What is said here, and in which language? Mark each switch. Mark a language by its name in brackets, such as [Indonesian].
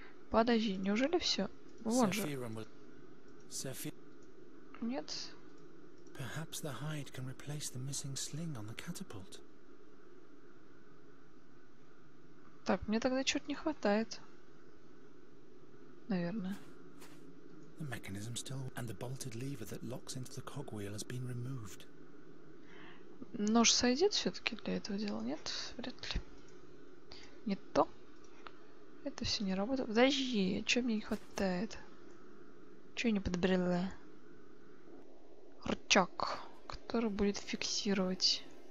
[Russian] Подожди, неужели все? Вон же. Нет. [English] Perhaps the hide can replace the missing sling on the catapult. [Russian] Так, мне тогда чего-то не хватает. Наверное. [English] The mechanism still and the bolted lever that locks into the cogwheel has been removed. [Russian] Нож сойдет все-таки для этого дела, нет? Вряд ли. Не то. Это все не работает. Подожди, чего мне не хватает? Чего я не подобрела? Рычаг, который будет фиксировать.